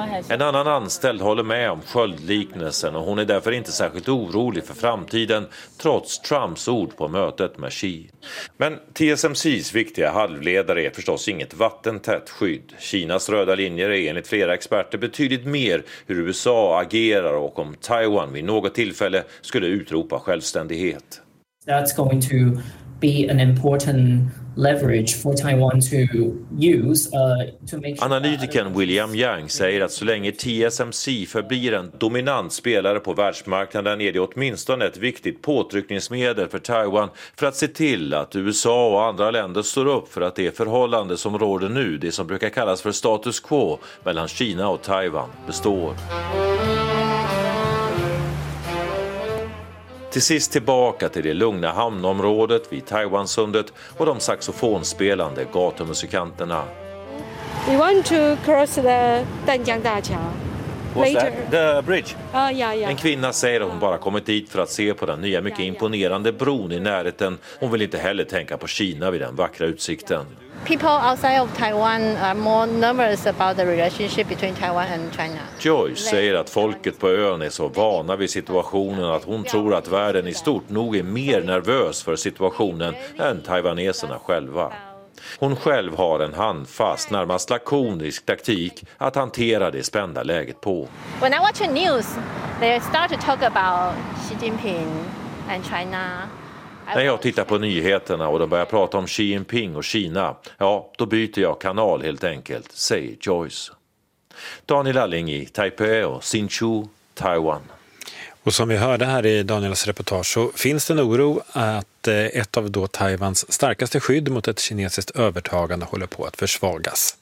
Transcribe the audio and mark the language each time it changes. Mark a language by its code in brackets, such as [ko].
[sv] En annan anställd håller med om sköldliknelsen och hon är därför inte särskilt orolig för framtiden trots Trumps ord på mötet med Xi. Men TSMCs viktiga halvledare är förstås inget vattentätt skydd. Kinas röda linjer är enligt flera experter betydligt mer hur USA agerar och om Taiwan vid något tillfälle skulle utropa självständighet. [en] That's going to be an important leverage for Taiwan to use to make sure. [sv] Analytikern William Yang säger att så länge TSMC förblir en dominant spelare på världsmarknaden är det åtminstone ett viktigt påtryckningsmedel för Taiwan för att se till att USA och andra länder står upp för att det förhållande som råder nu, det som brukar kallas för status quo mellan Kina och Taiwan, består. Till sist tillbaka till det lugna hamnområdet vid Taiwansundet och de saxofonspelande gatumusikanterna. [en] We want to cross the Danjiang Da Qiao. What's that? The bridge. Yeah. [sv] En kvinna säger att hon bara kommit dit för att se på den nya mycket imponerande bron i närheten. Hon vill inte heller tänka på Kina vid den vackra utsikten. [en] People outside of Taiwan are more nervous about the relationship between Taiwan and China. [sv] Joyce säger att folket på ön är så vana vid situationen att hon tror att världen i stort nog är mer nervös för situationen än taiwaneserna själva. Hon själv har en handfast, närmast lakonisk taktik att hantera det spända läget på. [en] When I watch the news, they start to talk about Xi Jinping and China. [sv] När jag tittar på nyheterna och de börjar prata om Xi Jinping och Kina, ja, då byter jag kanal helt enkelt, säger Joyce. Daniel Alling i Taipei och Hsinchu, Taiwan. Och som vi hörde här i Daniels reportage så finns det en oro att ett av då Taiwans starkaste skydd mot ett kinesiskt övertagande håller på att försvagas.